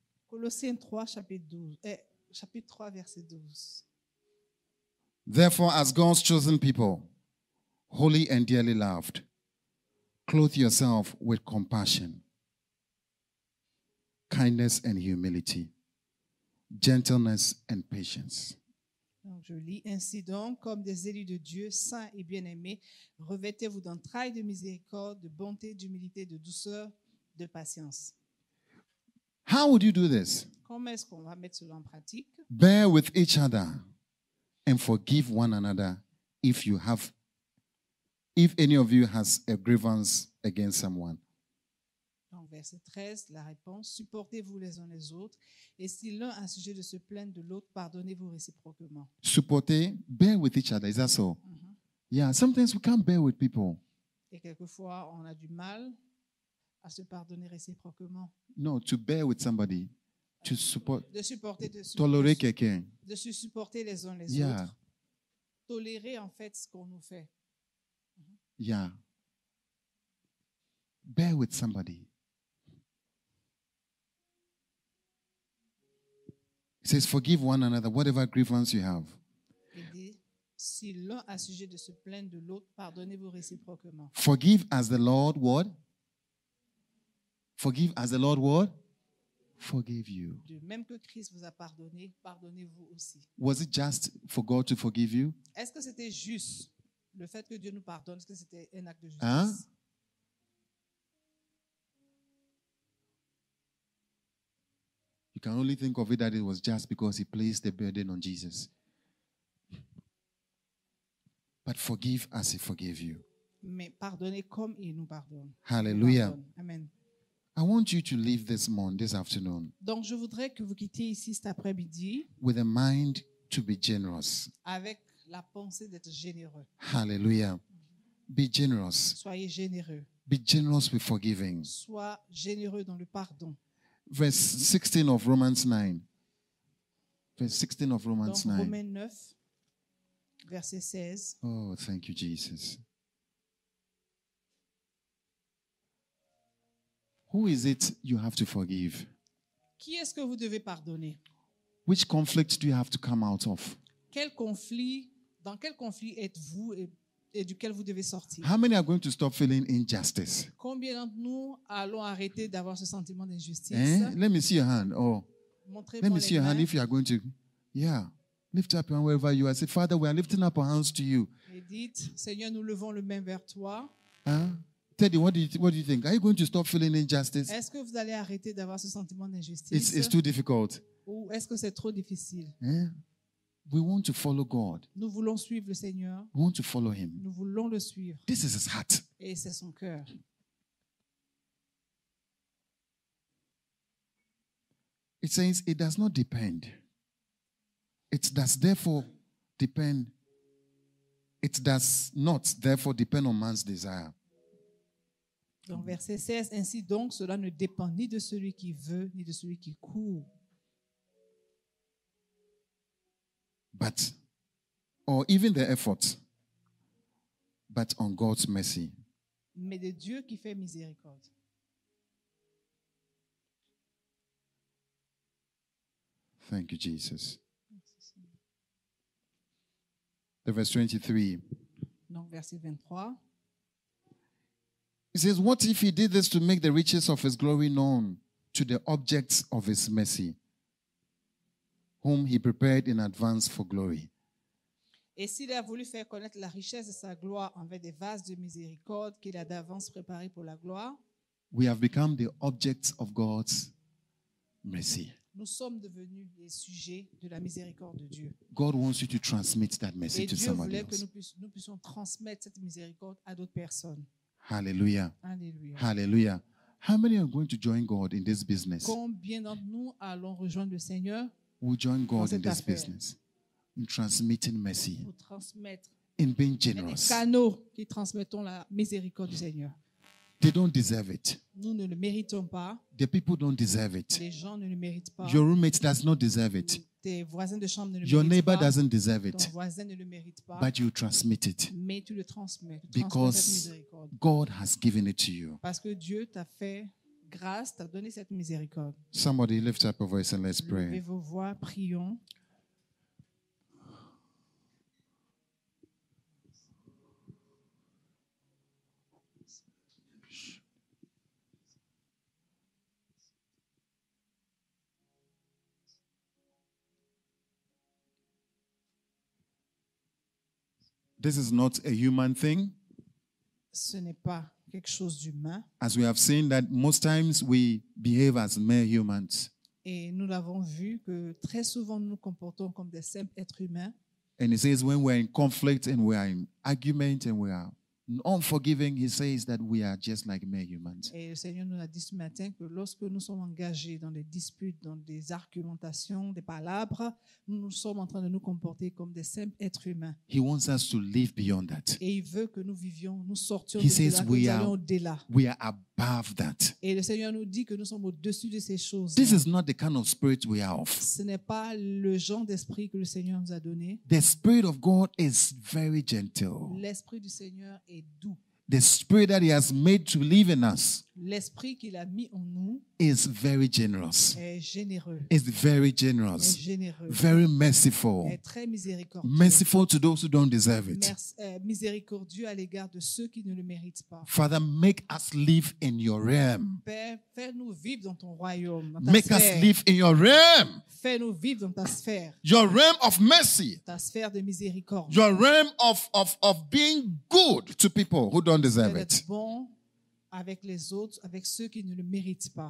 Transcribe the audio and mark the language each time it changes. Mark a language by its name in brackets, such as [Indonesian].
[French] Colossians 3, chapitre 12. Chapitre 3, verset 12. [English] Therefore, as God's chosen people, holy and dearly loved, clothe yourself with compassion, kindness and humility, gentleness and patience. [French] Donc je lis ainsi donc, comme des élus de Dieu, saints et bien-aimés, revêtez-vous d'entrailles de miséricorde, de bonté, d'humilité, de douceur, de patience. [English] How would you do this? [French] Comment est-ce qu'on va mettre cela en pratique? [English] Bear with each other and forgive one another if any of you has a grievance against someone. [French] Donc verset 13, la réponse, supportez-vous les uns les autres, et si l'un a sujet de se plaindre de l'autre, pardonnez-vous réciproquement. [English] Supporter, bear with each other, is that so? Mm-hmm. Yeah, sometimes we can't bear with people. [French] Et quelquefois, on a du mal à se pardonner réciproquement. [English] No, to bear with somebody, to support, [French] de supporter, de tolérer quelqu'un. De se supporter les uns les autres. Tolérer en fait ce qu'on nous fait. Mm-hmm. Yeah. [English] Bear with somebody. It says, forgive one another, whatever grievance you have. [French] Si l'un a sujet de se plaindre de l'autre, pardonnez-vous réciproquement. [English] Forgive as the Lord what? Forgive as the Lord what? Forgive you. [French] De même que Christ vous a pardonné, pardonnez-vous aussi. [English] Was it just for God to forgive you? [French] Est-ce que c'était juste le fait que Dieu nous pardonne? Est-ce que c'était un acte de justice? Hein? [English] You can only think of it that it was just because he placed the burden on Jesus. But forgive as he forgave you. [French] Mais pardonnez comme il nous pardonne. Hallelujah. Amen. [English] I want you to leave this morning, this afternoon. [French] Donc je voudrais que vous quittiez ici cet après-midi. [English] With a mind to be generous. [French] Avec la pensée d'être généreux. [English] Hallelujah. Be generous. [French] Soyez généreux. [English] Be generous with forgiving. [French] Sois généreux dans le pardon. [English] Verse 16 of Romans 9. Verse 16 of Romans 9. [French] Dans Romains 9, verset 16. [English] Oh, thank you, Jesus. Who is it you have to forgive? [French] Qui est-ce que vous devez pardonner? [English] Which conflict do you have to come out of? [French] Quel conflit, dans quel conflit êtes-vous et duquel vous devez sortir? [English] How many are going to stop feeling injustice? [French] Combien d'entre nous allons arrêter d'avoir ce sentiment d'injustice? [English] Eh? Let me see your hand. Oh. [French] Montrez-moi [English] Let me see your [French] mains. [English] Hand if you are going to. Yeah. Lift up your hand wherever you are. Say, Father, we are lifting up our hands to you. [French] Et dites, Seigneur, nous levons le main vers toi. [English] Hein? Teddy, what do you think? Are you going to stop feeling injustice? [French] Est-ce que vous allez arrêter d'avoir ce sentiment d'injustice? [English] It's too difficult. [French] Ou est-ce que c'est trop difficile? [English] Eh? We want to follow God. [French] Nous voulons suivre le Seigneur. [English] We want to follow him. [French] Nous voulons le suivre. [English] This is his heart. [French] Et c'est son cœur. [English] It says it does not depend. It does therefore depend. It does not therefore depend on man's desire. [French] Donc verset 16, ainsi donc cela ne dépend ni de celui qui veut ni de celui qui court. [English] But, or even the effort, but on God's mercy. [French] Mais de Dieu qui fait miséricorde. [English] Thank you, Jesus. The verse 23. [French] Donc, verset 23. [English] It says, what if he did this to make the riches of his glory known to the objects of his mercy? Whom he prepared in advance for glory. [French] Et s'il a voulu faire connaître la richesse de sa gloire envers des vases de miséricorde qu'il a d'avance préparés pour la gloire, [English] we have become the objects of God's mercy. [French] Nous sommes devenus les sujets de la miséricorde de Dieu. [English] God wants you to transmit that mercy [French] Et [English] to [French] Dieu [English] somebody [French] voulait [English] else. [French] Que nous puissions transmettre cette miséricorde à d'autres personnes. Hallelujah. Hallelujah. Hallelujah. [English] How many are going to join God in this business? [French] Combien d'entre nous allons rejoindre le Seigneur? [English] We join God in this [French] affaire. [English] Business, in transmitting mercy, [French] transmettre [English] in being generous. [French] Canaux qui transmettons la miséricorde du Seigneur. [English] They don't deserve it. [French] Nous ne le méritons pas. [English] The people don't deserve it. [French] Les gens ne le méritent pas. [English] Your roommate does not deserve it. [French] Tes voisins de chambre ne le [English] Your [French] méritent pas. [English] Your neighbor doesn't deserve it. [French] Ton voisin ne le mérite pas. [English] But you transmit it. [French] Mais tu le transmets. [English] Because God has given it to you. [French] Parce que Dieu t'a fait grâce, t'a donné cette miséricorde. [English] Somebody lift up a voice and let's pray. [French] Levez vos voix, prions. [English] This is not a human thing. [French] Ce n'est pas quelque chose d'humain. [English] As we have seen that most times we behave as mere humans. [French] Et nous l'avons vu que très souvent nous comportons comme des simples êtres humains. [English] And he says when we are in conflict and we are in argument and we are unforgiving, he says that we are just like mere humans. [French] Et le Seigneur nous a dit ce matin que lorsque nous sommes engagés dans des disputes, dans des argumentations, des palabres, nous sommes en train de nous comporter comme des simples êtres humains. [English] He wants us to live beyond that. [French] Et il veut que nous vivions, nous sortions de là, nous allions au-delà. [English] We are above that. [French] Et le Seigneur nous dit que nous sommes au-dessus de ces choses. [English] This is not the kind of spirit we are of. [French] Ce n'est pas le genre d'esprit que le Seigneur nous a donné. [English] The spirit of God is very gentle. [French] L'esprit du Seigneur est doux. [English] The spirit that he has made to live in us. [French] L'esprit qu'il a mis en nous [English] is very generous. [French] Est généreux. [English] Is very generous. [French] Est généreux. [English] Very merciful. [French] Est très miséricordieux. [English] Merciful to those who don't deserve it. [French] Miséricordieux à l'égard de ceux qui ne le méritent pas. [English] Father, make us live in your realm. [French] Père, fais-nous vivre dans ton royaume. Dans ta [English] make [French] sphère. [English] Us live in your realm. [French] Fais-nous vivre dans ta sphère. [English] Your realm of mercy. [French] Ta sphère de miséricorde. [English] Your realm of being good to people who don't deserve it. [French] Bon avec les autres, avec ceux qui ne le méritent pas.